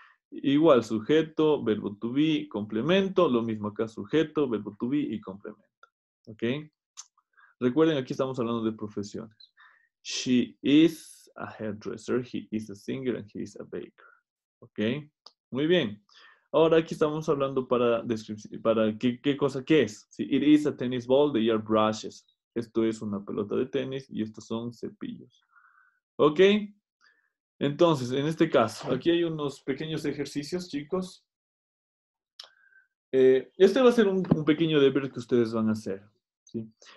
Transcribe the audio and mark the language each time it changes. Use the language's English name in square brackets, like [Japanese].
[Spanish] Igual, sujeto, verbo to be, complemento. Lo mismo acá, sujeto, verbo to be y complemento. ¿Ok? Recuerden, aquí estamos hablando de profesiones. [English] She is a hairdresser, he is a singer, and he is a baker. ¿Ok? [Spanish] Muy bien. Ahora aquí estamos hablando para descripción, para qué cosa, qué es. [English] Sí, it is a tennis ball, they are brushes. [Spanish] Esto es una pelota de tenis y estos son cepillos. ¿Ok? Entonces, en este caso, aquí hay unos pequeños ejercicios, chicos. Este va a ser un pequeño deber que ustedes van a hacer, ¿sí?